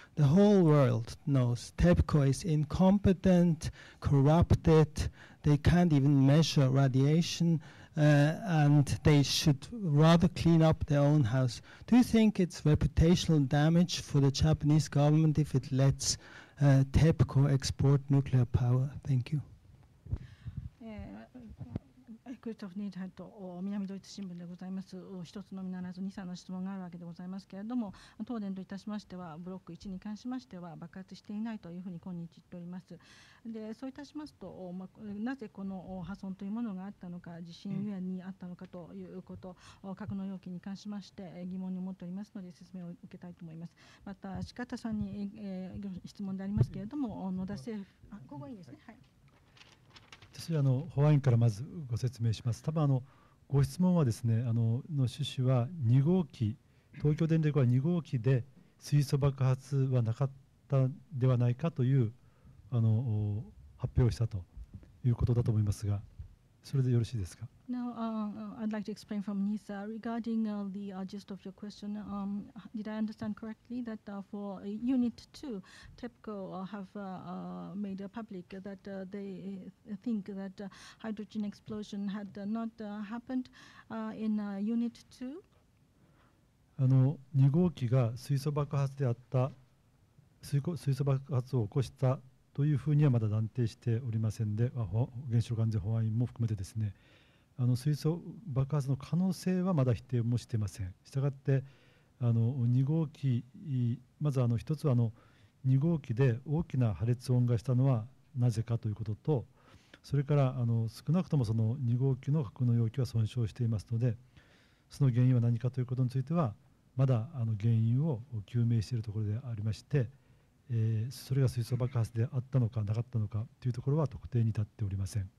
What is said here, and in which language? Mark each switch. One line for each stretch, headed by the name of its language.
English: The whole world knows TEPCO is incompetent, corrupted, they can't even measure radiation, and they should rather clean up their own house. Do you think it's reputational damage for the Japanese government if it lets TEPCO export nuclear power? Thank you.
Japanese: クリストフ・ニーハイト南ドイツ新聞でございます。一つのみならず2、3の質問があるわけでございますけれども、東電といたしましてはブロック1に関しましては爆発していないというふうに今日言っております。でそういたしますと、なぜこの破損というものがあったのか、地震ゆえにあったのかということ、格納容器に関しまして疑問に思っておりますので説明を受けたいと思います。また四方さんに質問でありますけれども、野田政府あ、ここいいですね、はい、私は保安員からまずご説明します。多分ご質問はですね、の趣旨は2号機、東京電力は2号機で水素爆発はなかったではないかという発表をしたということだと思いますが、それでよろしいですか。
English: Now, I'd like to explain from NISA regarding the gist of your question. Did I understand correctly that for Unit 2, TEPCO have made public that they think that hydrogen explosion had not happened in Unit 2?
Japanese: 2号機が水素爆発であった、水素爆発を起こしたというふうにはまだ断定しておりませんで、原子力安全保安員も含めてですね、水素爆発の可能性はまだ否定もしていません。したがって2号機、まず1つは2号機で大きな破裂音がしたのはなぜかということと、それから少なくともその2号機の格納容器は損傷していますので、その原因は何かということについてはまだ原因を究明しているところでありまして、それが水素爆発であったのかなかったのかというところは特定に至っておりません。